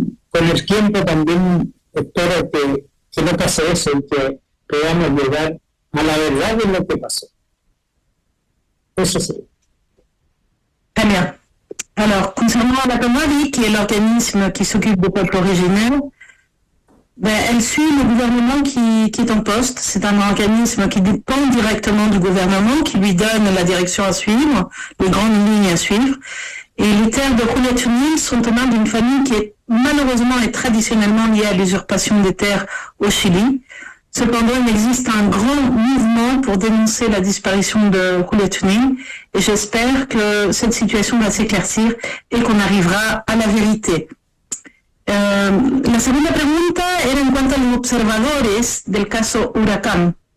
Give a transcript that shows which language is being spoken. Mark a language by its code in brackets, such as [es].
[es] con el tiempo también espero que no pase eso y que podamos llegar a la verdad de lo que pasó. Eso sí. Bien. [fr] Alors, concernant la Comadi, qui est l'organisme qui s'occupe des peuples originaires, ben, elle suit le gouvernement qui est en poste. C'est un organisme qui dépend directement du gouvernement, qui lui donne la direction à suivre, les grandes lignes à suivre. Et les terres de Rouletunil sont aux mains d'une famille qui est malheureusement et traditionnellement liée à l'usurpation des terres au Chili. Cependant, il existe un grand mouvement pour dénoncer la disparition de Rouletunil et j'espère que cette situation va s'éclaircir et qu'on arrivera à la vérité. [es] La segunda pregunta era en cuanto a los observadores del caso Huracán.